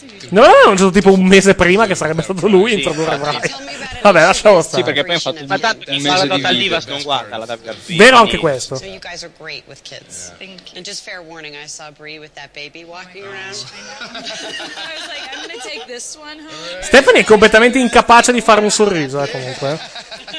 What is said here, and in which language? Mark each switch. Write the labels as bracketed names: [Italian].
[Italian] No, no, non c'è stato tipo un mese prima che sarebbe stato lui a introdurre Brian. Vabbè, lasciamo stare. Sì, perché poi ha fatto un mese di Total Divas, non guarda la [English] WWE. [Italian] Vero anche questo. [English] So you guys are great with kids. And just fair warning, I saw Brie with that baby walking around. I was like, I'm gonna take this one home. [Italian] Stephanie è completamente incapace di fare un sorriso, comunque.